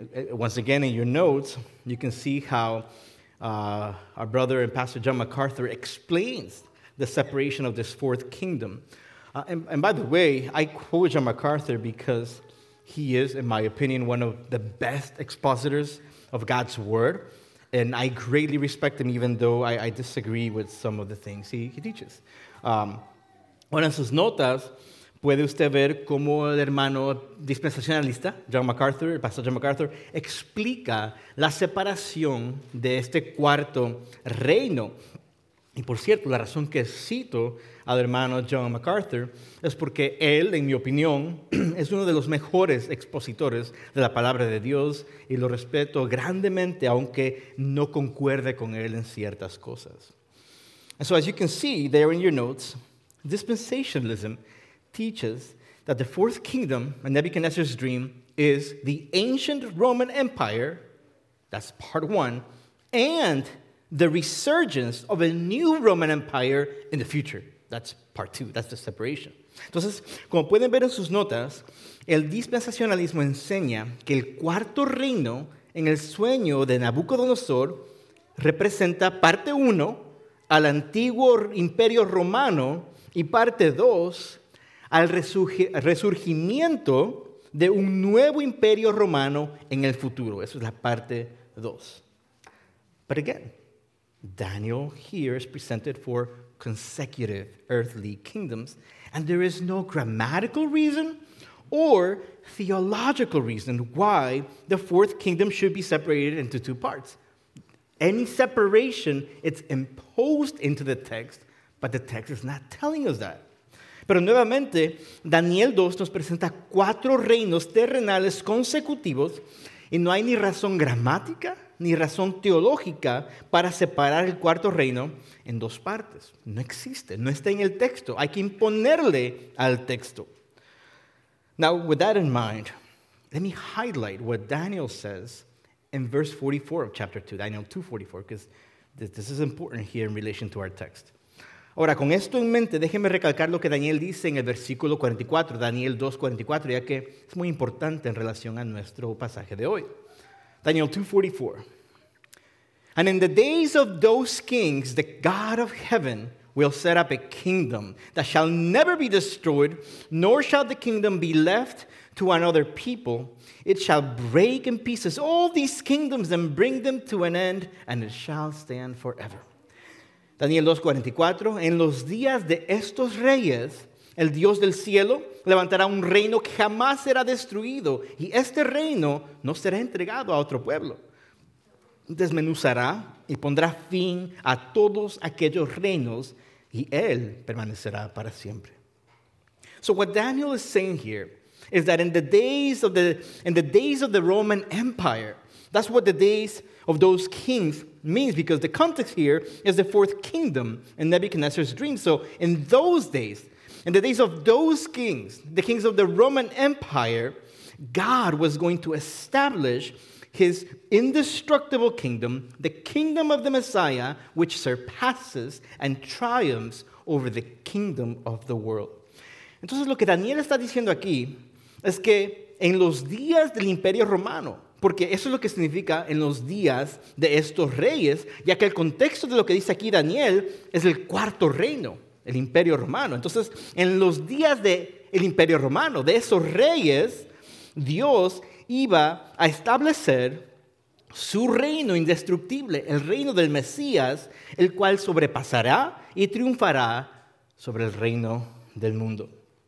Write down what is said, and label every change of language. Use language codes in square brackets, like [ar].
[en] Once again, in your notes, you can see how our brother and pastor John MacArthur explains the separation of this fourth kingdom. And by the way, I quote John MacArthur because he is, in my opinion, one of the best expositors of God's word. And I greatly respect him, even though I disagree with some of the things he teaches. [es] Bueno, en sus notas, puede usted ver cómo el hermano dispensacionalista, John MacArthur, el pastor John MacArthur, explica la separación de este cuarto reino. Y por cierto, la razón que cito al hermano John MacArthur es porque él, en mi opinión, es uno de los mejores expositores de la palabra de Dios y lo respeto grandemente, aunque no concuerde con él en ciertas cosas. [en] And so as you can see there in your notes, dispensationalism teaches that the fourth kingdom and Nebuchadnezzar's dream is the ancient Roman Empire, that's part one, and the resurgence of a new Roman Empire in the future. That's part two. That's the separation. [es] Entonces, como pueden ver en sus notas, el dispensacionalismo enseña que el cuarto reino en el sueño de Nabucodonosor representa parte uno al antiguo imperio romano y parte dos al resurgimiento de un nuevo imperio romano en el futuro. Eso es la parte dos. [en] But again, Daniel here is presented for consecutive earthly kingdoms, and there is no grammatical reason or theological reason why the fourth kingdom should be separated into two parts. Any separation, it's imposed into the text, but the text is not telling us that. [es] Pero nuevamente, Daniel 2 nos presenta cuatro reinos terrenales consecutivos, y no hay ni razón gramática ni razón teológica para separar el cuarto reino en dos partes. No existe, no está en el texto. Hay que imponerle al texto. [en] Now, with that in mind, let me highlight what Daniel says in verse 44 of chapter 2, Daniel 2:44, because this is important here in relation to our text. [es] Ahora, con esto en mente, déjeme recalcar lo que Daniel dice en el versículo 44, Daniel 2:44, ya que es muy importante en relación a nuestro pasaje de hoy. Daniel 2:44. [en] And in the days of those kings, the God of heaven will set up a kingdom that shall never be destroyed, nor shall the kingdom be left to another people. It shall break in pieces all these kingdoms and bring them to an end, and it shall stand forever. Daniel 2:44. [es] En los días de estos reyes, el Dios del cielo levantará un reino que jamás será destruido, y este reino no será entregado a otro pueblo. Desmenuzará y pondrá fin a todos aquellos reinos, y él permanecerá para siempre. [en] So what Daniel is saying here is that in the days of the Roman Empire, that's what the days of those kings means, because the context here is the fourth kingdom in Nebuchadnezzar's dream. So in those days, in the days of those kings, the kings of the Roman Empire, God was going to establish his indestructible kingdom, the kingdom of the Messiah, which surpasses and triumphs over the kingdom of the world. [es] Entonces, lo que Daniel está diciendo aquí es que en los días del Imperio Romano, porque eso es lo que significa en los días de estos reyes, ya que el contexto de lo que dice aquí Daniel es el cuarto reino, el Imperio Romano. Entonces, en los días del Imperio Romano, de esos reyes, Dios iba a establecer su reino indestructible, el reino del Mesías, el cual sobrepasará y triunfará sobre el reino del mundo.